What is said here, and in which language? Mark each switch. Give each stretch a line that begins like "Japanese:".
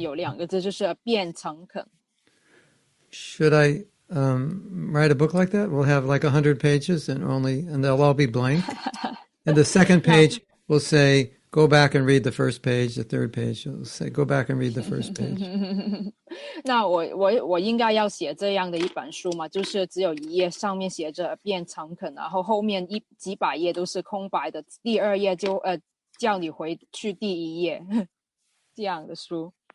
Chinese: 那一页了，上面有两个字，就是变诚恳。
English: Should I... write a book like that? We'll have like 100 pages and they'll all be blank. And the second page will say, go back and read the first page. The third page will say, go back and read the first page.
Chinese: 那我应该要写这样的一本书吗？就是只有一页上面写着变诚恳，然后后面几百页都是空白的，第二页就叫你回去第一页，这样的书。